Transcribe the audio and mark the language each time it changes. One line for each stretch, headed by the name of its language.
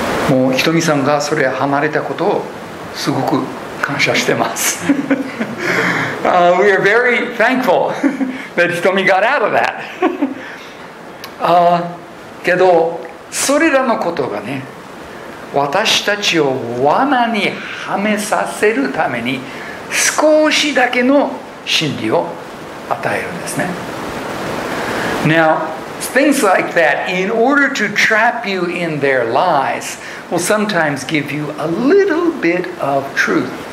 Japanese: もうひとみさんがそれ離れたことをすごく感謝してます。
English: we are very thankful that ひとみ got out of that.
Japanese: けどそれらのことがね、私たちを罠にはめさせるために少しだけの真理を与えるんですね。
English: Now, things like that, in order to trap you in their lies, will sometimes give you a little bit of truth.